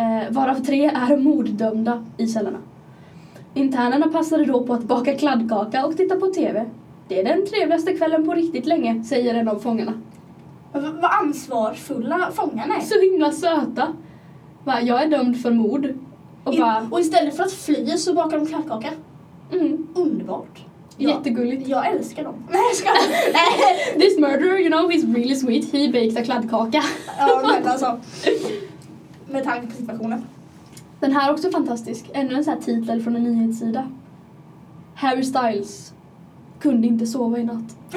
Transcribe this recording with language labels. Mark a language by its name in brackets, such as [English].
[Swedish] Varav 3 är morddömda i cellerna. Internerna passade då på att baka kladdkaka och titta på tv. Det är den trevligaste kvällen på riktigt länge, säger en av fångarna. Vad ansvarsfulla fångarna är. Så himla söta. Va, jag är dömd för mord. Och istället för att fly så bakar de kladdkaka. Mm. Underbart. Ja. Jättegulligt. Jag älskar dem. Nej, jag ska. [English] This murderer, you know, he's really sweet. He baked a kladdkaka. [Swedish] Ja, men alltså. Med tanke på situationen. Den här är också fantastisk. Ännu en sån här titel från en nyhetssida. Harry Styles kunde inte sova i natt.